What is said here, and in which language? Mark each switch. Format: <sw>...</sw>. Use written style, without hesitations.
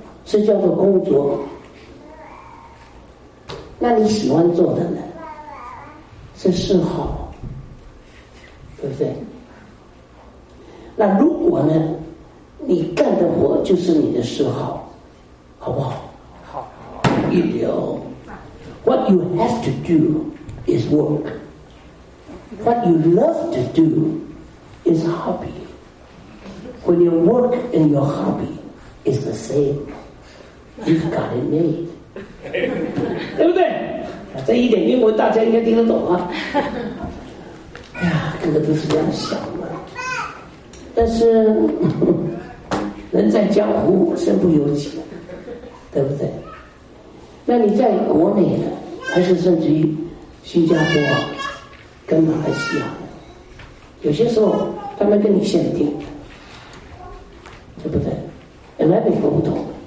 <zh>是叫做工作，那你喜欢做的呢？是嗜好，对不对？那如果呢，你干的活就是你的嗜好，好不好？好，一流。</zh> <en>What you have to do is work. What you love to do is hobby. When you work in your hobby, it's the same. You've got it made，</en> <zh>对不对？这一点英文大家应该听得懂啊。哎呀，个个都是这样想的。但是人在江湖，身不由己，对不对？那你在国内呢，还是甚至于新加坡啊，跟马来西亚，有些时候他们跟你限定，对不对？本来美国不同。</zh>